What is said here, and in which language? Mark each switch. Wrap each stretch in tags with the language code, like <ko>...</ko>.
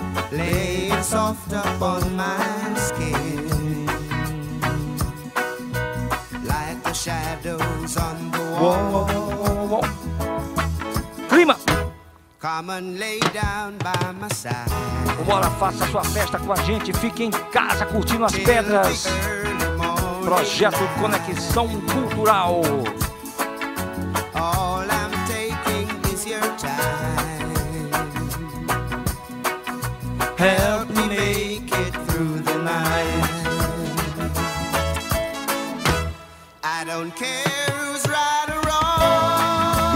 <en>Lay it soft upon my skin, like the shadows on the wall.</en> <pt>Clima!</pt> <en>Come and lay down by my side.</en> <pt>Bora, faça sua festa com a gente. Fique em casa curtindo as pedras. Projeto Conexão Cultural.</pt> <en>All I'm taking is your time. Help me make it through the night. I don't care who's right or wrong.</en>